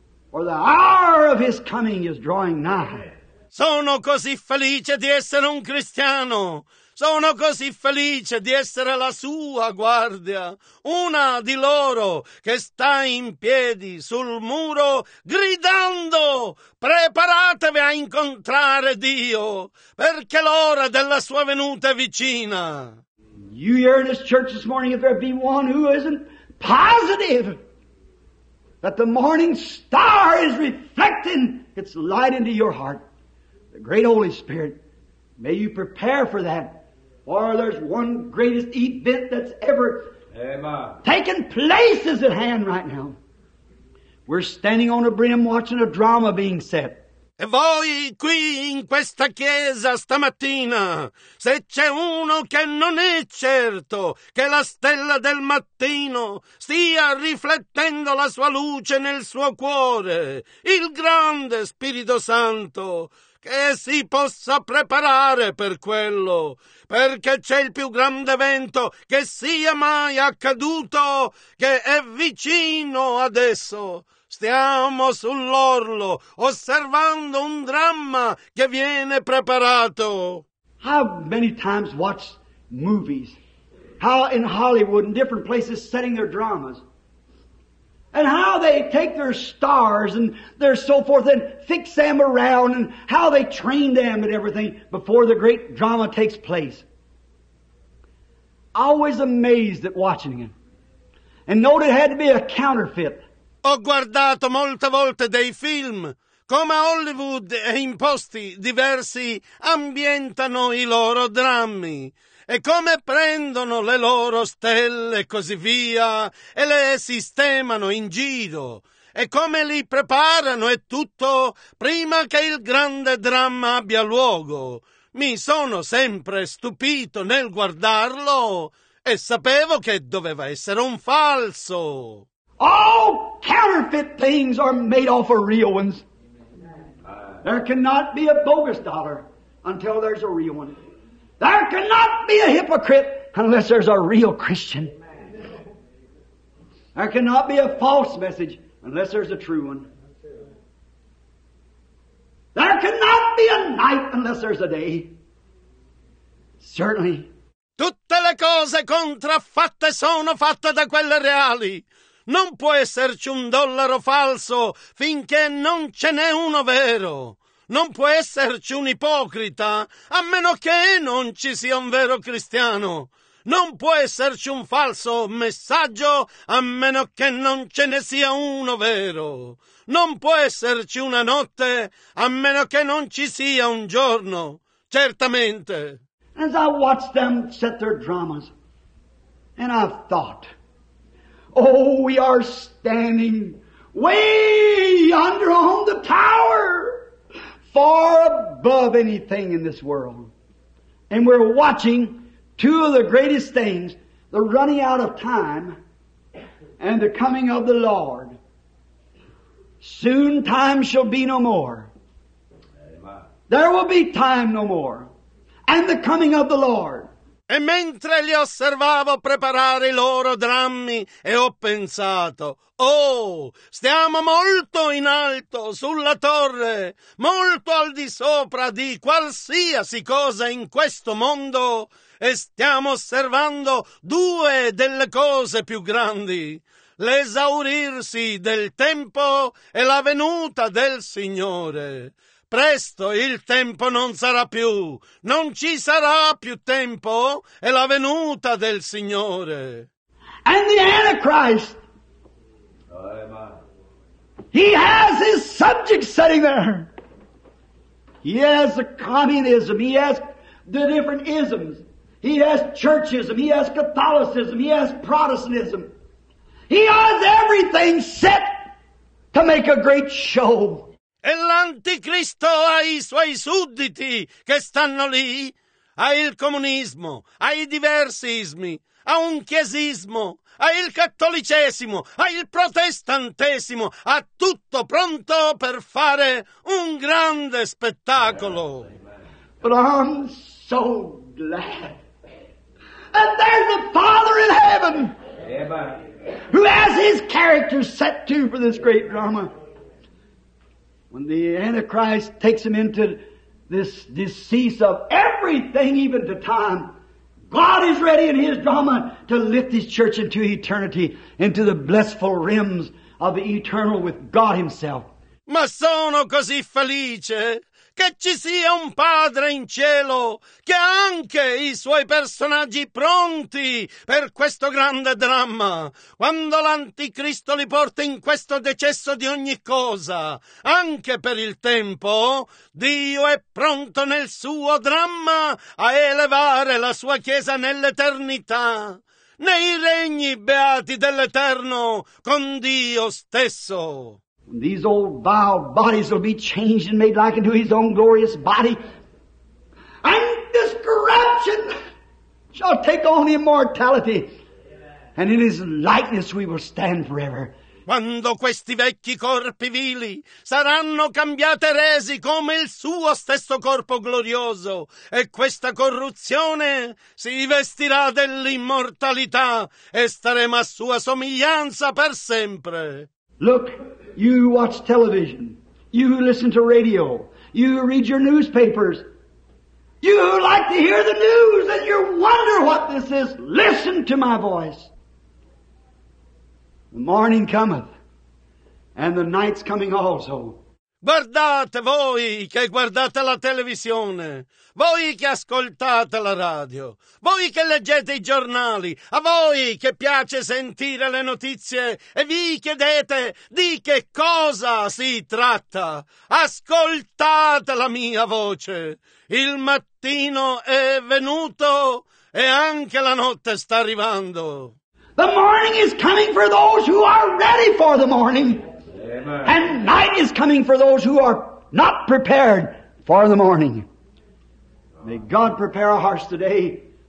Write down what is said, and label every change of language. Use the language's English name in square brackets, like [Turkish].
[English] For the hour of his coming is drawing nigh. [Italian] Sono così felice di essere un cristiano. Sono così felice di essere la sua guardia. Una di loro che sta in piedi sul muro gridando, preparatevi a incontrare Dio, perché l'ora della sua venuta è vicina. [English] You hear in this church this morning, if there be one who isn't positive that the morning star is reflecting its light into your heart, the great Holy Spirit, may you prepare for that. For there's one greatest event that's ever taken place is at hand right now. We're standing on a brim watching a drama being set. [Italian] E voi qui in questa chiesa stamattina, se c'è uno che non è certo che la stella del mattino stia riflettendo la sua luce nel suo cuore, il grande Spirito Santo, che si possa preparare per quello, perché c'è il più grande evento che sia mai accaduto, che è vicino adesso. Stiamo sull'orlo, osservando un dramma che viene preparato. [English] How many times watch movies? How in Hollywood, in different places, setting their dramas? And how they take their stars and their so forth and fix them around and how they train them and everything before the great drama takes place. Always amazed at watching it. And note it had to be a counterfeit. [Italian] Ho guardato molte volte dei film, come a Hollywood e in posti diversi ambientano i loro drammi e come prendono le loro stelle e così via e le sistemano in giro e come li preparano e tutto prima che il grande dramma abbia luogo. Mi sono sempre stupito nel guardarlo e sapevo che doveva essere un falso. [English] All counterfeit things are made off of real ones. There cannot be a bogus dollar until there's a real one. There cannot be a hypocrite unless there's a real Christian. There cannot be a false message unless there's a true one. There cannot be a night unless there's a day. Certainly. [Italian] Tutte le cose contraffatte sono fatte da quelle reali. Non può esserci un dollaro falso finché non ce n'è uno vero. Non può esserci un ipocrita a meno che non ci sia un vero cristiano. Non può esserci un falso messaggio a meno che non ce ne sia uno vero. Non può esserci una notte a meno che non ci sia un giorno. Certamente. [English] As I watched them set their dramas, and I've thought, oh, we are standing way yonder on the tower, far above anything in this world. And we're watching two of the greatest things, the running out of time and the coming of the Lord. Soon time shall be no more. Amen. There will be time no more. And the coming of the Lord. [Italian] E mentre li osservavo preparare i loro drammi, e ho pensato, oh, stiamo molto in alto sulla torre, molto al di sopra di qualsiasi cosa in questo mondo, e stiamo osservando due delle cose più grandi, l'esaurirsi del tempo e la venuta del Signore. Presto il tempo non sarà più, non ci sarà più tempo, è la venuta del Signore. [English] And the Antichrist, he has his subjects sitting there. He has the communism, he has the different isms, he has churchism, he has Catholicism, he has Protestantism. He has everything set to make a great show. [Italian] E l'Anticristo ha i suoi sudditi che stanno lì, ha il comunismo, ha i diversi ismi, ha un chiesismo, ha il cattolicesimo, ha il protestantesimo, ha tutto pronto per fare un grande spettacolo. [English] But I'm so glad that there's a Father in heaven who has his character set to for this great drama. When the Antichrist takes him into this decease of everything, even to time, God is ready in his drama to lift his church into eternity, into the blissful realms of the eternal with God himself. [Italian] Ma sono così felice che ci sia un padre in cielo che ha anche i suoi personaggi pronti per questo grande dramma. Quando l'anticristo li porta in questo decesso di ogni cosa, anche per il tempo, Dio è pronto nel suo dramma a elevare la sua chiesa nell'eternità, nei regni beati dell'Eterno con Dio stesso. [English] These old vile bodies will be changed and made like unto his own glorious body. And this corruption shall take on immortality. And in his likeness we will stand forever. [Italian] Quando questi vecchi corpi vili saranno cambiati e resi come il suo stesso corpo glorioso, e questa corruzione si vestirà dell'immortalità e staremo a sua somiglianza per sempre. [English] Look. You who watch television, you who listen to radio, you who read your newspapers, you who like to hear the news and you wonder what this is, listen to my voice. The morning cometh, and the night's coming also. [Italian] Guardate voi che guardate la televisione, voi che ascoltate la radio, voi che leggete i giornali, a voi che piace sentire le notizie e vi chiedete di che cosa si tratta. Ascoltate la mia voce. Il mattino è venuto e anche la notte sta arrivando. [English] The morning is coming for those who are ready for the morning. And night is coming for those who are not prepared for the morning. May God prepare our hearts today.